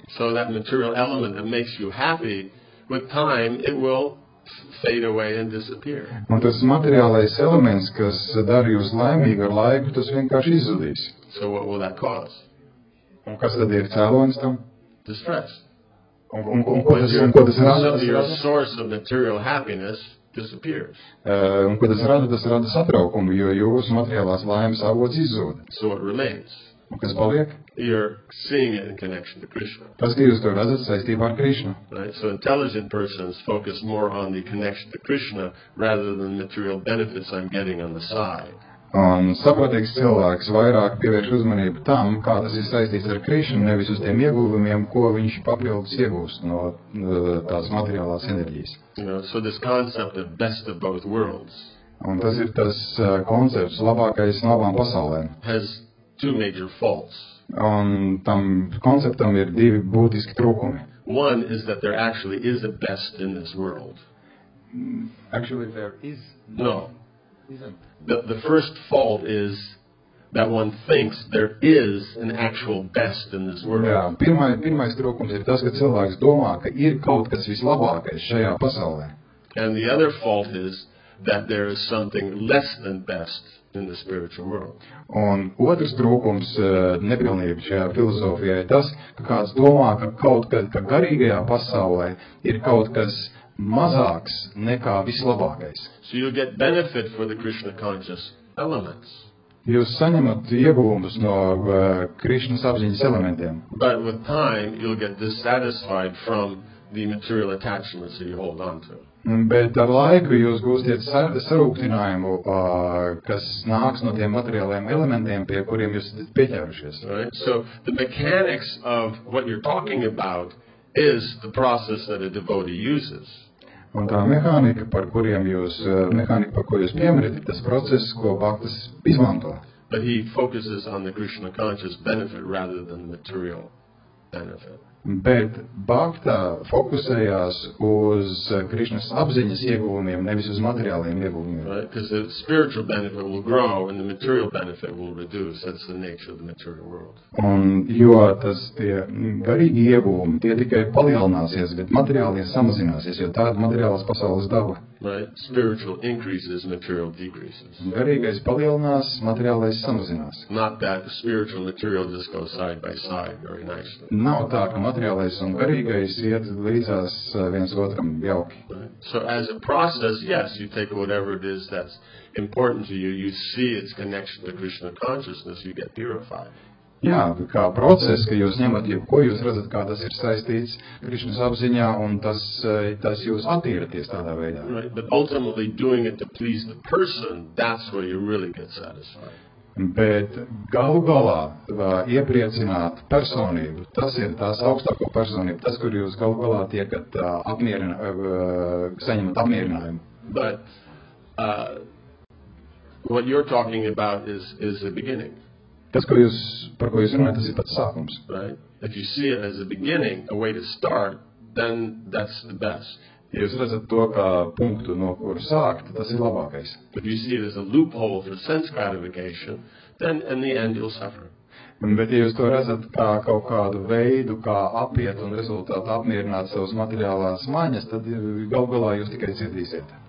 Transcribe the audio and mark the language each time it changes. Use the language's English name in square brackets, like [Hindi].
[English] So that material element that makes you happy, with time, it will fade away and disappear. [Latvian] Un tas materiālais elements, kas dara jūs laimīgu ar laiku, tas vienkārši izzudīs. [English] So what will that cause? [Latvian] Un kas tad ir cēlonis tam? [English] Distress. [Latvian] Un ko tas rada? [English] Your source of material happiness disappears. [Latvian] Un ko tas rada? Tas rada satraukumu, jo jūs materiālās laimes avots izzūd. [English] So what remains? [Latvian] Un kas paliek? [English] You're seeing it in connection to Krishna. [Latvian] Tas, ka jūs to redzat saistībā ar Krishna. [English] Right? So intelligent persons focus more on the connection to Krishna rather than material benefits I'm getting on the side. [Latvian] Un saprotīgs cilvēks vairāk pievērš uzmanību tam, kā tas ir saistīts ar Krishna, nevis uz tiem ieguvumiem, ko viņš papildus iegūst no tās materiālās enerģijas. [English] You know, so this concept of best of both worlds. [Latvian] Un tas ir tas koncepts labākais no abām pasaulēm. [English] Has two major faults. [Latvian] Un tam konceptam ir divi būtiski trūkumi. [English] One is that there actually is a best in this world. Actually there is no. The first fault is that one thinks there is an actual best in this world. [Latvian] Jā, pirmais trūkums ir tas, ka cilvēks domā, ka ir kaut kas vislabākais šajā pasaulē. [English] And the other fault is that there is something less than best in the spiritual world. [Latvian] Un otrs trūkums nepilnība šajā filozofijā ir tas, ka kāds domā, ka kaut kad, ka garīgajā pasaulē ir kaut kas mazāks nekā vislabākais. [English] So you get benefit for the Krishna conscious elements. [Latvian] Jūs saņemat ieguvumus no Krishnas apziņas elementiem. [English] But with time you'll get dissatisfied from the material attachments that you hold on to. [Latvian] Bet ar laiku jūs gūstiet sarūktinājumu, kas nāks no tiem materiālajiem elementiem, pie kuriem jūs esat pieķērušies. [English] Right? So the mechanics of what you're talking about is the process that a devotee uses. [Latvian] Un tā mehānika, par kuriem jūs, mehānika, par ko jūs piemirat, ir tas process, ko bhaktas izmanto. [English] But he focuses on the Krishna conscious benefit rather than the material benefit. [Latvian] Bet bhakta fokusējās uz Krišnas apziņas ieguvumiem, nevis uz materiāliem ieguvumiem. [English] Right, because the spiritual benefit will grow and the material benefit will reduce. That's the nature of the material world. [Latvian] Un jo tas tie garīgi ieguvumi, tie tikai palielināsies, bet materiālie samazināsies, jo tāda materiālās pasaules daba. [English] Right, spiritual increases, material decreases. [Latvian] Garīgais palielinās, materiālais samazinās. [English] Not that spiritual material just goes side by side very nicely. [Latvian] Nav tā, ka materiālais un garīgais iet līdzās viens otram jauki. [English] Right. So as a process, yes, you take whatever it is that's important to you, you see its connection to Krishna consciousness, you get purified. [Latvian] Jā, kā process, ka jūs ņemat jebko, jūs redzat, kā tas ir saistīts Krišnas apziņā, un tas jūs attīraties tādā veidā. [English] Right, but ultimately doing it to please the person, that's where you really get satisfied. [Latvian] Bet galu galā iepriecināt personību, tas ir tās augstāko personību, tas, kur jūs galu galā tiekat saņemat apmierinājumu. [English] But what you're talking about is the beginning. [Latvian] Tas, ko jūs, par ko jūs runājat, tas ir pats sākums. [English] Right? If you see it as a beginning, a way to start, then that's the best. [Latvian] Ja jūs redzat to, kā punktu, no kur sākt, tas ir labākais. [English] But if you see it as a loophole for sense gratification, then in the end you'll suffer. [Latvian] Bet ja jūs to redzat kā kaut kādu veidu, kā apiet un rezultātu apmierināt savus materiālās maņas, tad galu galā jūs tikai cirdīsiet.